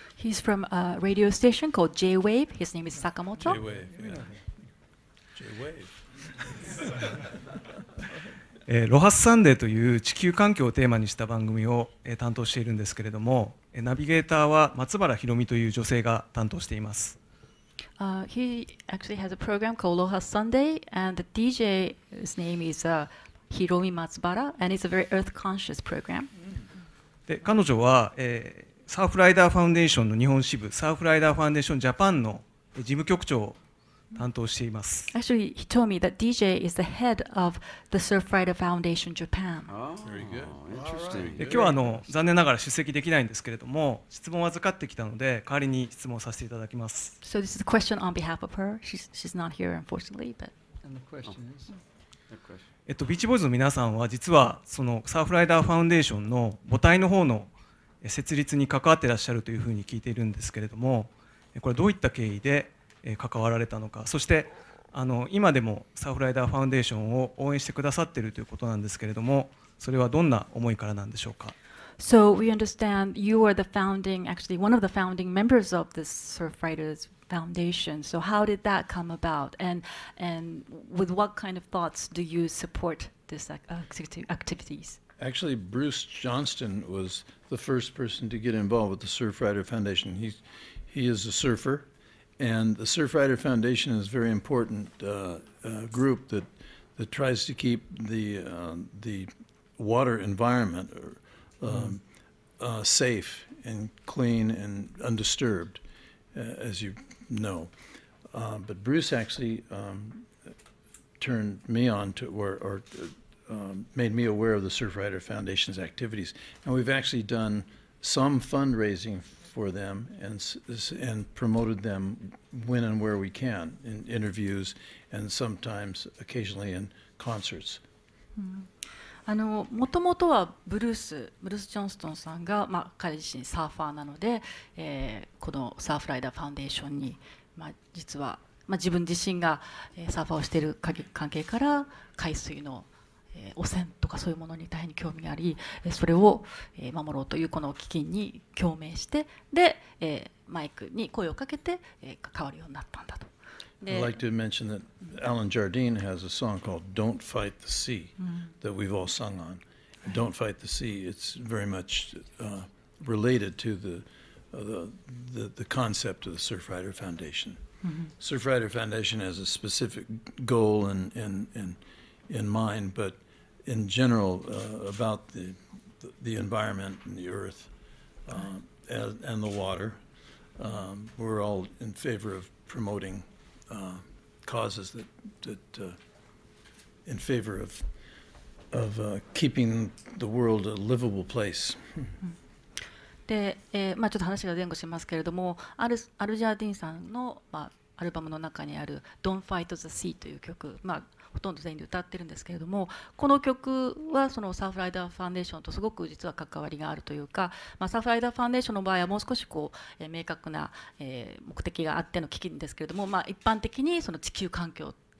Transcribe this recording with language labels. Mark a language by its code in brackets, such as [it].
[en] He's from a radio station called J-Wave. His name is Sakamoto. J-Wave, yeah. J-Wave. [ja] ロハスサンデーという地球環境をテーマにした番組を担当しているんですけれども、ナビゲーターは松原ひろみという女性が担当しています。 [en] He actually has a program called ロハスサンデー、and the DJ's name is ヒロミ松原、and it's a very earth-conscious program. [ja] で、彼女は、サーフライダーファウンデーションの日本支部、サーフライダーファウンデーションジャパンの事務局長担当しています。 [en] Actually, he told me that DJ is the head of the Surf Rider Foundation Japan. Oh, very good. Interesting. [ja] 今日は残念ながら出席できないんですけれども、質問を預かってきたので、代わりに質問させていただきます。 [en] So this is a question on behalf of her. She's not here, unfortunately, but... And the question is... [ja] ビーチボーイズの皆さんは実はそのサーフライダーファウンデーションの母体の方の設立に関わってらっしゃるというふうに聞いているんですけれども、これどういった経緯で関わられたのか、そして今でもサーフライダーファウンデーションを応援してくださっているということなんですけれども、それはどんな思いからなんでしょうか。 [en] So we understand you are the founding, actually one of the founding members of the Surf Riders Foundation. So how did that come about? And with what kind of thoughts do you support this activities? Actually, Bruce Johnston was the first person to get involved with the Surf Rider Foundation. He is a surfer, and the Surf Rider Foundation is a very important group that tries to keep the water environment safe and clean and undisturbed, as you No, but Bruce actually turned me on to made me aware of the Surf Rider Foundation's activities, and we've actually done some fundraising for them and promoted them when and where we can in interviews and sometimes occasionally in concerts. Mm-hmm. [ja] もともとはブルース・ジョンストンさんが、彼自身サーファーなので、このサーフライダーファウンデーションに、実は、自分自身がサーファーをしている関係から海水の、汚染とかそういうものに大変に興味があり、それを守ろうというこの基金に共鳴して、で、マイクに声をかけて、関わるようになったんだと。 [en] I'd like to mention that Alan Jardine has a song called Don't Fight the Sea that we've all sung on. Don't Fight the Sea, it's very much related to the concept of the Surf Rider Foundation. Surf Rider Foundation has a specific goal in mind, but in general about the environment and the earth and the water, we're all in favor of promoting... causes that in favor of keeping the world a livable place. [ja] で、ちょっと話が前後しますけれども、アルジャーディンさんの、アルバムの中にある Don't Fight the Sea という曲、ほとんど全員で歌ってるんですけれども、この曲はそのサーフライダーファンデーションとすごく実は関わりがあるというか、サーフライダーファンデーションの場合はもう少しこう、明確な、目的があっての基金ですけれども、一般的にその地球環境、